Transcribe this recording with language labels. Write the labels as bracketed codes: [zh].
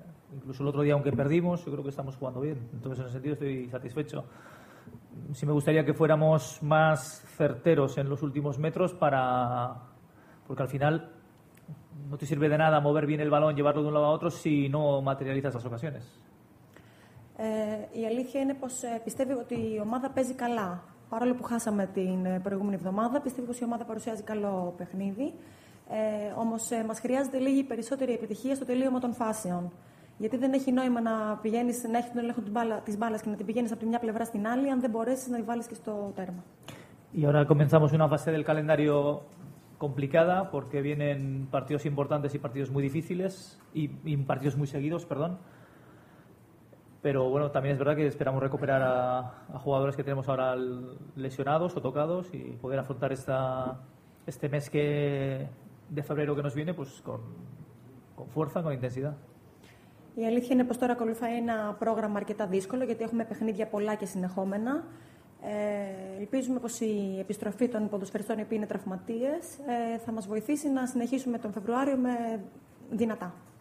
[es] Incluso el otro día, aunque perdimos, yo creo que estamos jugando bien. Entonces, en ese sentido, estoy satisfecho. Sí me gustaría que fuéramos más certeros en los últimos metros porque al final no te sirve de nada mover bien el balón, llevarlo de un lado a otro, si no materializas las ocasiones. [el] Η αλήθεια είναι πως πιστεύει ότι η ομάδα παίζει καλά. Παρόλο που χάσαμε την προηγούμενη εβδομάδα, πιστεύει πως η ομάδα παρουσιάζει καλό παιχνίδι. Όμως μας χρειάζεται λίγη περισσότερη επιτυχία στο τελείωμα των φάσεων. Γιατί δεν έχει νόημα να έχεις τον έλεγχο της μπάλας και να την πηγαίνεις από τη μια πλευρά στην άλλη, αν δεν μπορέσεις να τη βάλεις και στο τέρμα. [es] Y ahora comenzamos una fase del calendario complicada, porque vienen partidos importantes y partidos muy difíciles, y partidos muy seguidos, perdón. Pero bueno, también es verdad que esperamos recuperar a jugadores que tenemos ahora lesionados o tocados y poder afrontar este mes que de febrero que nos viene pues con fuerza, con intensidad. [el] Η αλήθεια είναι πως τώρα ακολουθάει ένα πρόγραμμα αρκετά δύσκολο γιατί έχουμε παιχνίδια πολλά και συνεχόμενα. Ελπίζουμε πως η επιστροφή των ποδοσφαιριστών που είναι τραυματίες θα μας βοηθήσει να συνεχίσουμε τον Φεβρουάριο με δυνατά.